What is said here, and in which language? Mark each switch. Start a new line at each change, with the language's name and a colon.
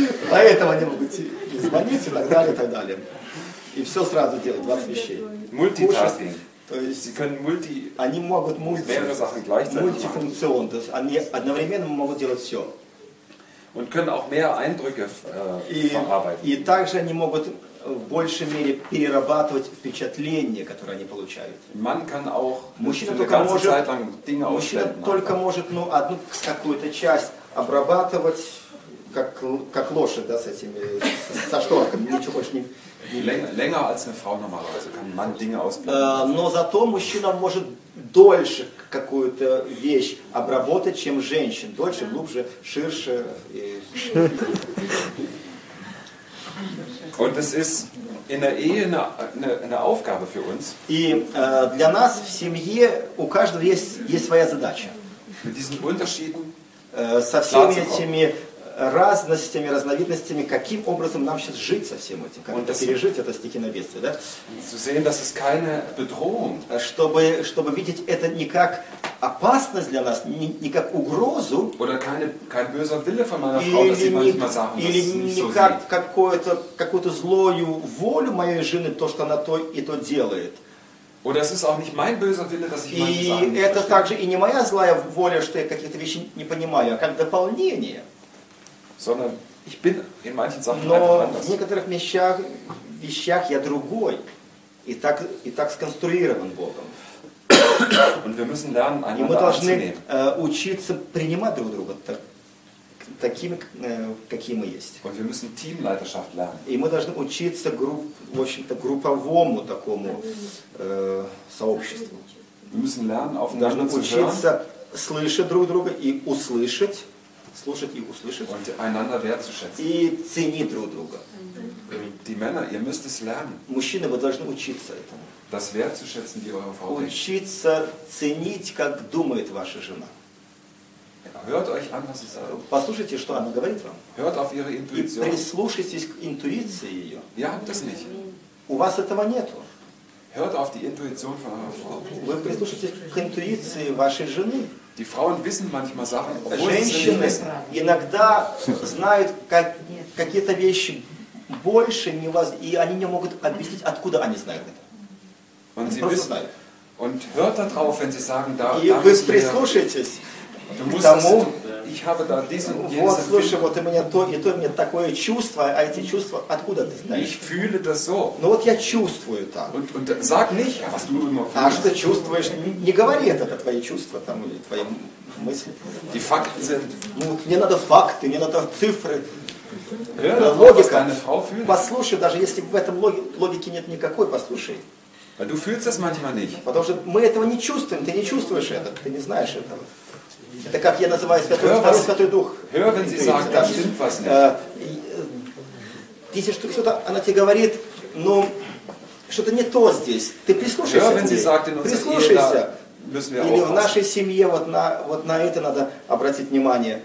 Russian: Поэтому они могут и звонить, и так далее, и так далее. И все сразу делать, 20 вещей. Мультитаскинг. То есть они могут мультифункционно, то есть они одновременно могут делать все.
German: Und können auch mehr Eindrücke verarbeiten.
Russian: И также они могут в большей мере перерабатывать впечатления, которые они получают.
German: Man kann auch
Russian: мужчина только может, одну какую-то часть обрабатывать, как лошадь, да, с этими, со шторками, ничего больше не...
German: Länger als eine Frau normalerweise kann man Dinge ausblenden.
Russian: Но зато мужчина может дольше какую-то вещь обработать, чем женщина. Дольше, глубже, ширше.
German: Und es ist in der Ehe eine Aufgabe für uns.
Russian: И для нас в семье у каждого есть своя задача.
German: Mit diesen Unterschieden,
Russian: со всеми этими разностями, разновидностями, каким образом нам сейчас жить со всем этим, как пережить это стихийное бедствие, да?
German: Zu sehen, dass es keine Bedrohung.
Russian: Чтобы видеть это не как опасность для нас, не как угрозу.
German: Oder kein böser Wille von meiner Frau, dass sie manchmal sagen,
Russian: или не как какую-то злую волю моей жены, то, что она то и то делает.
German: Oder es ist auch nicht mein böser Wille, dass ich manche Sachen nicht verstehe.
Russian: И это также и не моя злая воля, что я какие-то вещи не понимаю, а как дополнение.
German: Sondern ich bin in manchen Sachen
Russian: но
German: einfach anders.
Russian: В некоторых вещах я другой. И так сконструирован Богом.
German: Und wir müssen lernen, einander
Russian: и мы должны учиться принимать друг друга такими, какие мы есть.
German: Und wir müssen Teamleiterschaft lernen.
Russian: И мы должны учиться в общем-то, групповому такому сообществу.
German: Wir müssen lernen, aufeinander
Russian: мы должны учиться слышать друг друга и услышать. Слушать и услышать.
German: Und einander wertzuschätzen.
Russian: И ценить друг друга.
German: Die Männer, ihr müsst es lernen.
Russian: Мужчины, вы должны учиться этому.
German: Das wertzuschätzen, wie eure Frau denkt.
Russian: Учиться ценить, как думает ваша жена.
German: Hört euch an, was sie sagt.
Russian: Послушайте, что она говорит вам.
German: Hört auf ihre Intuition.
Russian: И прислушайтесь к интуиции ее.
German: Ihr habt das nicht.
Russian: У вас этого нету.
German: Hört auf die Intuition von eurer Frau.
Russian: Вы прислушайтесь к интуиции вашей жены.
German: Die Frauen wissen manchmal Sachen,
Russian: женщины иногда знают какие-то вещи больше, не вас, и они не могут объяснить, откуда они знают это.
German: Und sie wissen,
Russian: знают.
German: Und hört darauf, wenn sie sagen, da,
Russian: и вы прислушайтесь к тому,
German: ich habe da diesen,
Russian: вот слушай, вот у меня то и то, у меня такое чувство, а эти чувства откуда ты знаешь?
German: Ich fühle das so.
Russian: Ну вот я чувствую так.
German: Und sag nicht, was du immer fühlst.
Russian: А что чувствуешь? Не говори это твои чувства там, или твои мысли.
German: Die Fakten sind.
Russian: Ну, мне надо факты, мне надо цифры.
German: Ja,
Russian: логика.
German: Deine Frau fühlt.
Russian: Послушай, даже если в этом логике нет никакой, послушай.
German: Weil du fühlst das manchmal nicht.
Russian: Потому что мы этого не чувствуем, ты не чувствуешь это, ты не знаешь этого. Это как я называю Святой Дух.
German: Hör, wenn sie sagt, das stimmt was nicht.
Russian: Если что-то она тебе говорит, но что-то не то здесь, ты прислушайся.
German: Hör, wenn sie sagt, in
Russian: прислушайся. Или в нашей семье вот на это надо обратить внимание.